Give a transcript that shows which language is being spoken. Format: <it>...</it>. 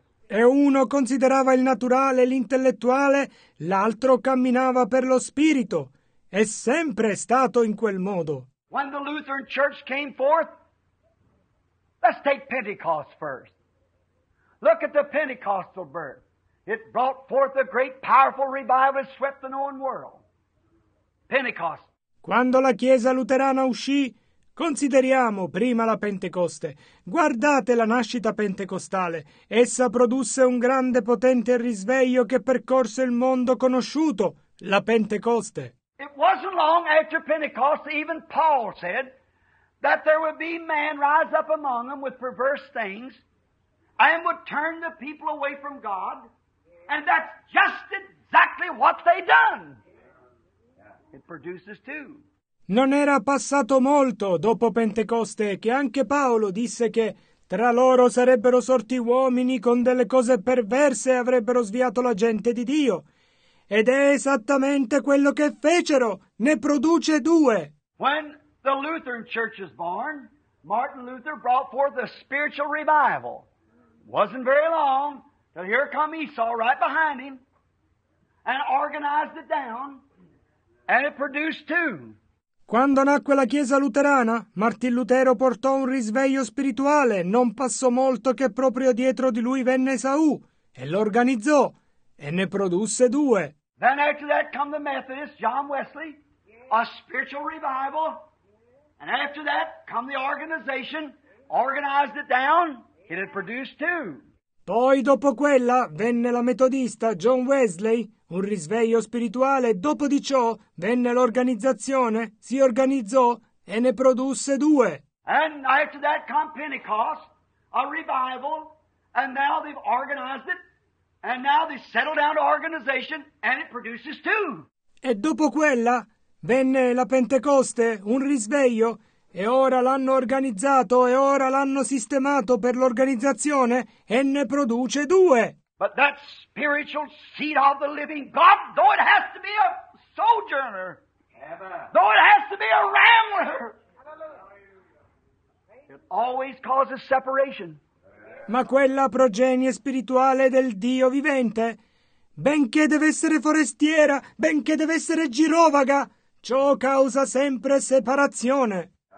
<it>E uno considerava il naturale, l'intellettuale, l'altro camminava per lo spirito. È sempre stato in quel modo.</it> <en>When the Lutheran Church came forth, let's take Pentecost first. Look at the Pentecostal birth. It brought forth a great, powerful revival that swept the known world. Pentecost.</en> <it>Quando la Chiesa Luterana uscì, consideriamo prima la Pentecoste. Guardate la nascita pentecostale. Essa produsse un grande, potente risveglio che percorse il mondo conosciuto, la Pentecoste.</it> <en>It wasn't long after Pentecost, even Paul said that there would be man rise up among them with perverse things and would turn the people away from God, and that's just exactly what they done. It produces two.</en> <it>Non era passato molto dopo Pentecoste che anche Paolo disse che tra loro sarebbero sorti uomini con delle cose perverse e avrebbero sviato la gente di Dio. Ed è esattamente quello che fecero, ne produce due.</it> <en>When the Lutheran Church was born, Martin Luther brought forth a spiritual revival. Wasn't very long till here come Esau right behind him and organized it down, and it produced two.</en> <it>Quando nacque la Chiesa Luterana, Martin Lutero portò un risveglio spirituale. Non passò molto che proprio dietro di lui venne Esau e lo organizzò. E ne produsse due.</it> <en>Then after that come the Methodist, John Wesley, a spiritual revival. And after that come the organization, organized it down, it had produced two.</en> <it>Poi dopo quella venne la metodista, John Wesley, un risveglio spirituale. Dopo di ciò venne l'organizzazione, si organizzò e ne produsse due.</it> <en>And after that come Pentecost, a revival, and now they've organized it. And now they settle down to organization, and it produces two.</en> <it>E dopo quella venne la Pentecoste, un risveglio, e ora l'hanno organizzato e ora l'hanno sistemato per l'organizzazione e ne produce due.</it> <en>But that spiritual seed of the living God, though it has to be a sojourner, though it has to be a rambler, it always causes separation.</en> <it>Ma quella progenie spirituale del Dio vivente, benché deve essere forestiera, benché deve essere girovaga, ciò causa sempre separazione.</it>